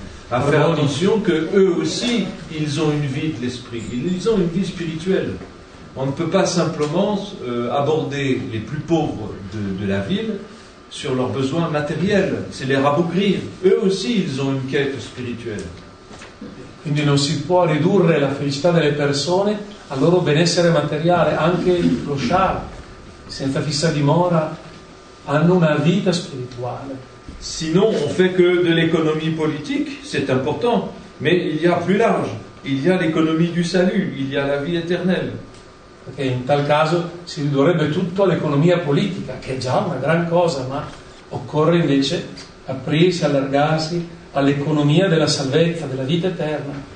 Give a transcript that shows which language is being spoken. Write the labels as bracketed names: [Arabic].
[French] À faire attention que eux aussi, ils ont une vie de l'esprit, ils ont une vie spirituelle. On ne peut pas simplement aborder les plus pauvres de la ville sur leurs besoins matériels, c'est les rabougrir. Eux aussi, ils ont une quête spirituelle. [Italian] Quindi non si può ridurre la felicità delle persone al loro benessere materiale, anche il clochard, senza fissa dimora, hanno una vita spirituale. [French] Sinon, on fait que de l'économie politique, c'est important, mais il y a plus large. Il y a l'économie du salut, il y a la vie éternelle. [Italian] Perché in tal caso si ridurrebbe tutto all'economia politica, che è già una gran cosa, ma occorre invece aprirsi, allargarsi all'economia della salvezza, della vita eterna.